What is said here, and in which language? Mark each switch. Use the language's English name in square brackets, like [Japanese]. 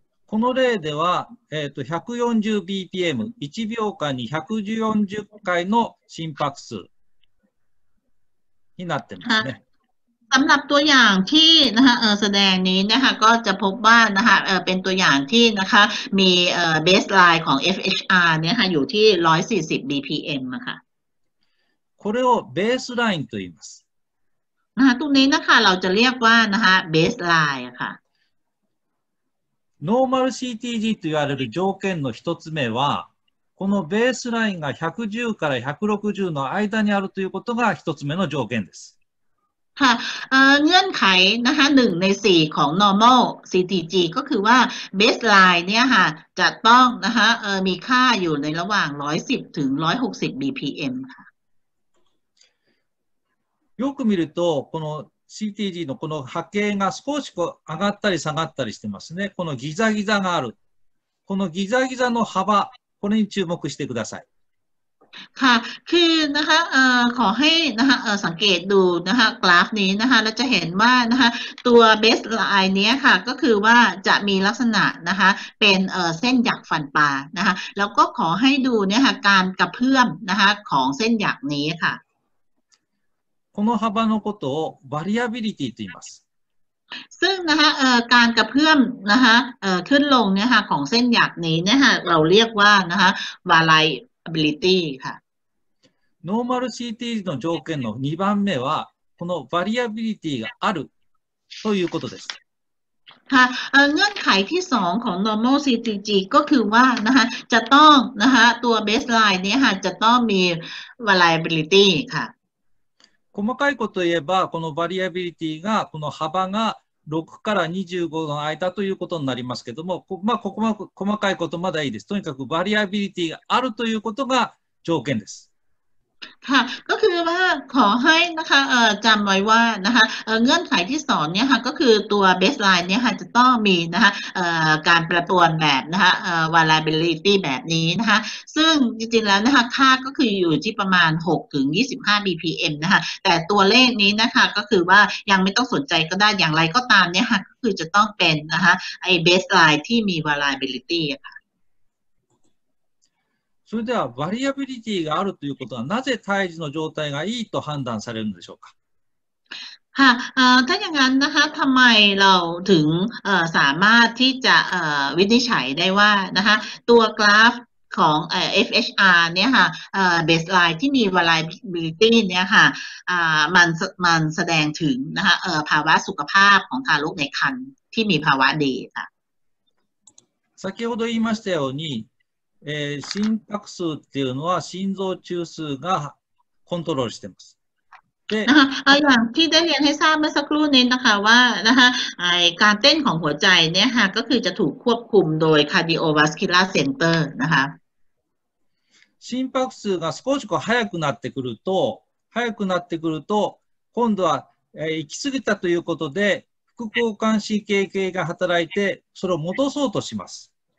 [Japanese] この例では、140BPM、1秒間に140回の心拍数になってますね。 [Thai] สำหรับตัวอย่างที่นะคะแสดงนี้นะคะก็จะพบว่านะคะเป็นตัวอย่างที่นะคะมีเบสไลน์ของ FHR เนี่ยค่ะอยู่ที่140 BPM นะคะ [Japanese] これをベースラインと言います。 [Thai] นะคะตรงนี้นะคะเราจะเรียกว่านะคะเบสไลน์ค่ะ [Japanese] ノーマル CTG と言われる条件の一つ目は、このベースラインが110から160の間にあるということが一つ目の条件です。 [Thai] は、เงื่อนไขนะคะ1ใน4ของ normal CTG ก็คือว่าเบสไลน์เนี่ยค่ะจะต้องนะคะมีค่าอยู่ในระหว่าง110ถึง160 BPM ค่ะ。 [Japanese] よく見るとこのCTG のこの波形が少しこう上がったり下がったりしてますね。このギザギザがある。このギザギザの幅、これに注目してください。 [Thai] ค่ะคือนะคะขอให้นะคะสังเกตดูนะคะกราฟนี้นะคะเราจะเห็นว่านะคะตัวเบสไลน์เนี้ยค่ะก็คือว่าจะมีลักษณะนะคะเป็นเส้นหยักฟันปลานะคะแล้วก็ขอให้ดูเนี่ยค่ะการกระเพื่อมนะคะของเส้นหยักนี้ค่ะ [Japanese] この幅のことをバリアビリティと言います。 [Thai] ซึ่งนะคะการกระเพื่อมนะคะขึ้นลงเนี่ยค่ะของเส้นหยักนี้เนี่ยค่ะเราเรียกว่านะคะ variability ค่ะ [Japanese] Normal CT の条件の2番目はこの variability があるということです。 ค [Thai] คะเงื่อนไขที่2ของ normal CTG ก็คือว่านะคะจะต้องนะคะตัว baseline นี้ค่ะจะต้องมี variability ค่ะ [Japanese] 細かいこと言えば、このバリアビリティが、この幅が6から25の間ということになりますけども、まあ、ここは細かいことまだいいです。とにかくバリアビリティがあるということが条件です。 [Thai] ค่ะก็คือว่าขอให้นะคะจำไว้ว่านะคะเงื่อนไขที่สองเนี่ยค่ะก็คือตัวเบสไลน์เนี่ยค่ะจะต้องมีนะคะการประปวนแบบนะคะvariability แบบนี้นะคะซึ่งจริงๆแล้วนะคะค่าก็คืออยู่ที่ประมาณ6ถึง25 bpm นะคะแต่ตัวเลขนี้นะคะก็คือว่ายังไม่ต้องสนใจก็ได้อย่างไรก็ตามเนี่ยค่ะก็คือจะต้องเป็นนะคะไอ้เบสไลน์ที่มี variability [Japanese] それではバリアビリティがあるということはなぜ胎児の状態がいいと判断されるんでしょうか。 [Thai] はい、ถ้าอย่างนั้นนะคะ、ทำไมเราถึงสามารถที่จะวินิจฉัยได้ว่านะคะตัวกราฟของFHR เนี่ยค่ะbaseline ที่มี variability เนี่ยค่ะมันแสดงถึงนะคะภาวะสุขภาพของทารกในครรภ์ที่มีภาวะดีค่ะ。 [Japanese] 先ほど言いましたように。心拍数っていうのは心臓中枢がコントロールしてます。で、あ、いや、聞いてね、 [Thai] ให้ทราบเมื่อสักครู่นี้นะคะว่านะคะไอ้การเต้นของหัวใจเนี่ยค่ะก็คือจะถูกควบคุมโดย cardiovascular center นะคะ。 [Japanese] 心拍数が少しこう早くなってくると、早くなってくると、今度は行き過ぎたということで副交感神経系が働いてそれを戻そうとします。